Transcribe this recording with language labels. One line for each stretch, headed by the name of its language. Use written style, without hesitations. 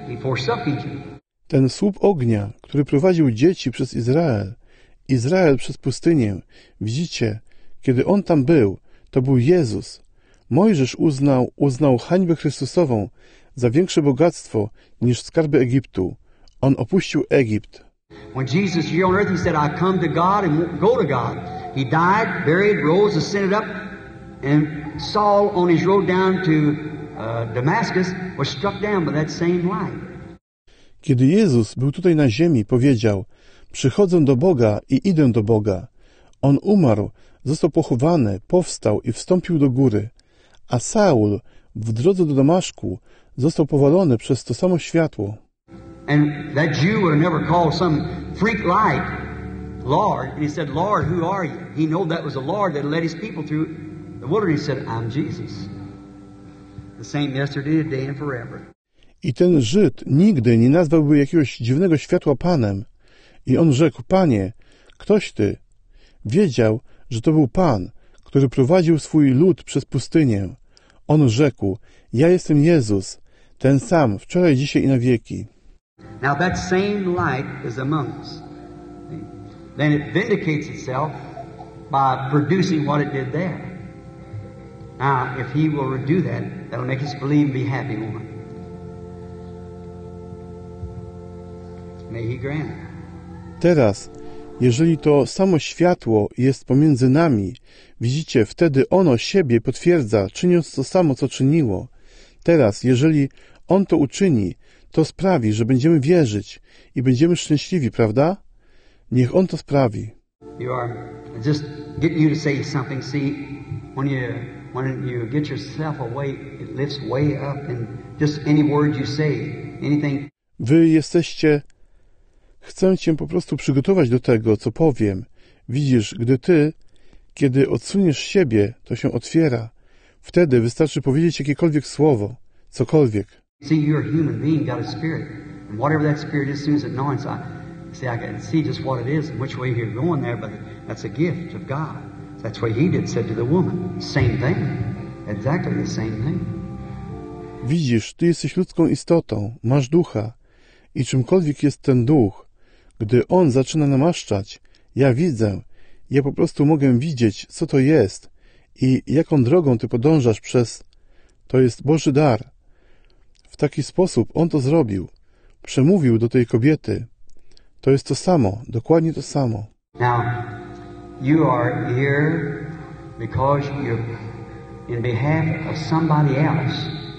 English: He forsook Egypt.
Polish: Ten słup ognia, który prowadził dzieci przez Izrael, Izrael przez pustynię. Widzicie, kiedy on tam był, to był Jezus. Mojżesz uznał hańbę Chrystusową za większe bogactwo niż skarby Egiptu. On opuścił Egipt.
English: When Jesus was on earth, he said, I come to God and go to God. He died, buried, rose, ascended up, and Saul on his road down to Damascus was struck down by that same light.
Polish: Kiedy Jezus był tutaj na ziemi, powiedział, przychodzę do Boga i idę do Boga. On umarł, został pochowany, powstał i wstąpił do góry. A Saul w drodze do Damaszku został powalony przez to samo światło.
English: And that Jew would have never called some freak light Lord. And he said, Lord, who are you? He knew that was the Lord that led his people through the wilderness. He said, I'm Jesus. The same yesterday, today and forever.
Polish: I ten Żyd nigdy nie nazwałby jakiegoś dziwnego światła Panem. I on rzekł, Panie, ktoś Ty? Wiedział, że to był Pan, który prowadził swój lud przez pustynię. On rzekł, ja jestem Jezus, ten sam, wczoraj, dzisiaj i na wieki.
English: Now that same light is among us. Then it vindicates itself by producing what it did there. Now, if he will do that, that'll make us believe and be happy, woman. May he grant.
Polish: Teraz, jeżeli to samo światło jest pomiędzy nami, widzicie, wtedy ono siebie potwierdza, czyniąc to samo, co czyniło. Teraz, jeżeli on to uczyni, to sprawi, że będziemy wierzyć i będziemy szczęśliwi, prawda? Niech on to sprawi.
English: You are just getting you to say something. See, when you get yourself away, it lifts way up and just any word you say, anything.
Polish: Wy jesteście... Chcę cię po prostu przygotować do tego, co powiem. Widzisz, gdy ty, kiedy odsuniesz siebie, to się otwiera. Wtedy wystarczy powiedzieć jakiekolwiek słowo, cokolwiek.
English: See, you're a human being, got a spirit. And whatever that spirit is, soon as it knows, I can see just what it is and which way you're going there, but that's a gift of God. That's what he did, said to the woman. Same thing. Exactly the same thing.
Polish: Widzisz, ty jesteś ludzką istotą, masz ducha. I czymkolwiek jest ten duch, gdy on zaczyna namaszczać, ja widzę, ja po prostu mogę widzieć, co to jest i jaką drogą ty podążasz przez... To jest Boży dar. W taki sposób on to zrobił. Przemówił do tej kobiety. To jest to samo, dokładnie to samo.
English: Now, you are here because you're in behalf of somebody else.